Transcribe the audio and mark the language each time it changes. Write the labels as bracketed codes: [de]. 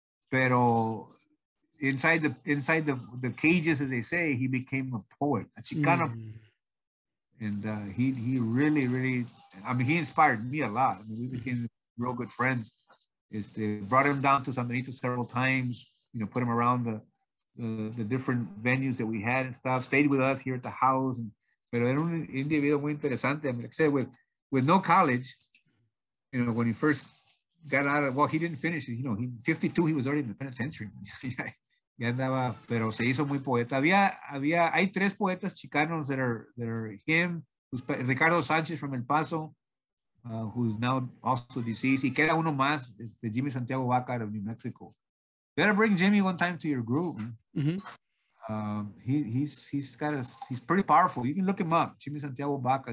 [en] Pero inside the cages, as they say, he became a poet, a Chicano. Mm. And he really, really, I mean, he inspired me a lot. I mean, we became real good friends. Brought him down to San Benito several times, you know, put him around the different venues that we had and stuff, stayed with us here at the house. [es] Pero era un individuo muy interesante. [en] I mean, like I said, with no college, you know, when he first got out of, well, he didn't finish, you know, he 52, he was already in the penitentiary. [es] Ya andaba, pero se hizo muy poeta. Hay tres poetas chicanos [en] that are him, Ricardo Sánchez from El Paso, who's now also deceased. [es] Y queda uno más, [en] Jimmy Santiago Vaca of New Mexico. Better bring Jimmy one time to your group. Mm-hmm. He's pretty powerful. You can look him up. Jimmy Santiago Baca.